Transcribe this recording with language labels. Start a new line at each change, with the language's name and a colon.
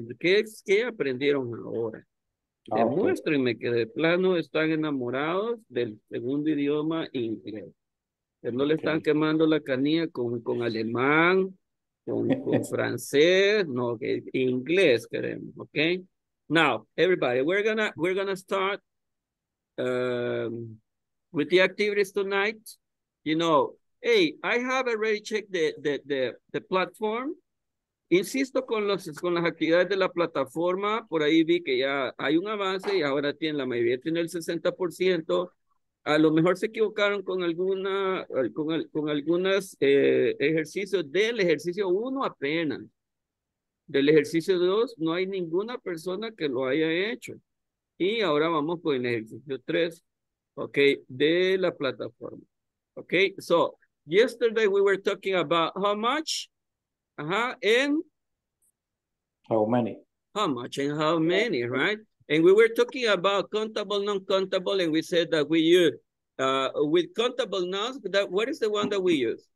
Spanish: ¿Qué aprendieron ahora? Demuéstrenme que de plano están enamorados del segundo idioma inglés. Que no le están quemando la canilla con alemán, con francés, no, inglés queremos, okay?
English: Now, everybody, we're gonna start with the activities tonight. You know, hey, I have already checked the platform.
Spanish: Insisto con las actividades de la plataforma, por ahí vi que ya hay un avance y ahora tiene la mayoría, tiene el 60%. A lo mejor se equivocaron con algunos ejercicios del ejercicio 1 apenas. Del ejercicio 2 no hay ninguna persona que lo haya hecho. Y ahora vamos con el ejercicio 3, okay, de la plataforma.
English: Okay, so yesterday we were talking about how much, how much and how many, right? And we were talking about countable, non-countable, and we said that we use, with countable nouns, that, what is the one that we use?